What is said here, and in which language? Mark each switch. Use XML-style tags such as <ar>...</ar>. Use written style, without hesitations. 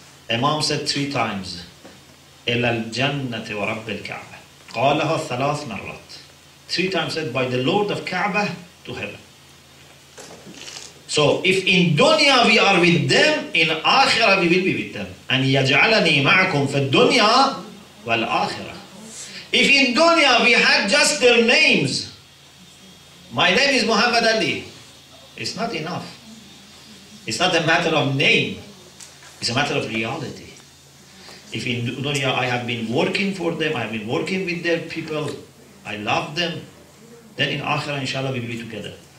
<en>Imam said three times,</en> <ar>"Ela al-jannati wa rabbil ka'bah." قالها ثلاث مرات.</ar> <en>Three times said by the Lord of Kaaba to heaven. So if in dunya we are with them, in akhirah we will be with them.</en> <ar>And يجعلني معكم في الدنيا والآخرة.</ar> <en>If in dunya we had just their names, my name is Muhammad Ali, it's not enough. It's not a matter of name. It's a matter of reality. If in dunya I have been working for them, I have been working with their people, I love them, then in akhirah inshallah we will be together.</en>